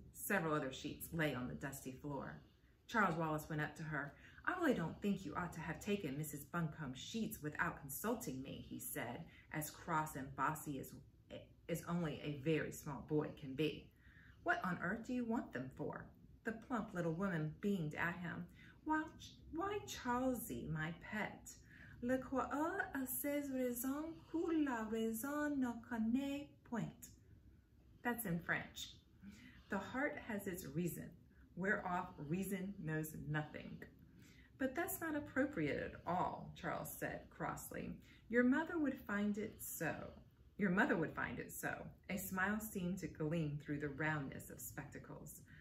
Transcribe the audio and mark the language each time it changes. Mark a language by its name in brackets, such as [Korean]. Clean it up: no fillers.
[English] Several other sheets lay on the dusty floor. Charles Wallace went up to her. "I really don't think you ought to have taken Mrs. Buncombe's sheets without consulting me," he said, as cross and bossy as only a very small boy can be. "What on earth do you want them for?" The plump little woman beamed at him. Why, Charlesy, my pet, [French] le coeur a ses raisons que la raison ne connaît point. [English] That's in French. The heart has its reason, whereof reason knows nothing. "But that's not appropriate at all," Charles said crossly. "Your mother would find it so. Your mother would find it so." A smile seemed to gleam through the roundness of spectacles.